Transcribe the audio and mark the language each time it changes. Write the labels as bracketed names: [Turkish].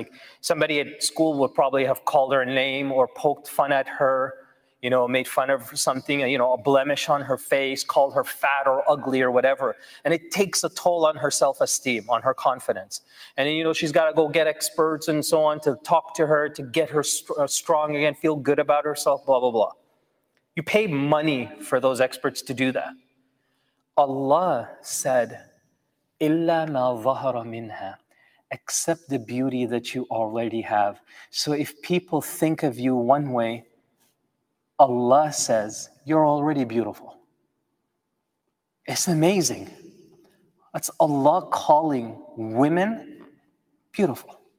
[English] Like somebody at school would probably have called her name or poked fun at her, you know, made fun of something, you know, a blemish on her face, called her fat or ugly or whatever. And it takes a toll on her self-esteem, on her confidence. And, you know, she's got to go get experts and so on to talk to her, to get her strong again, feel good about herself, blah, blah, blah. You pay money for those experts to do that. Allah said, [Arabic] إِلَّا مَا ظَهَرَ مِنْهَا. [English] Accept the beauty that you already have. So if people think of you one way, Allah says, you're already beautiful. It's amazing. That's Allah calling women beautiful.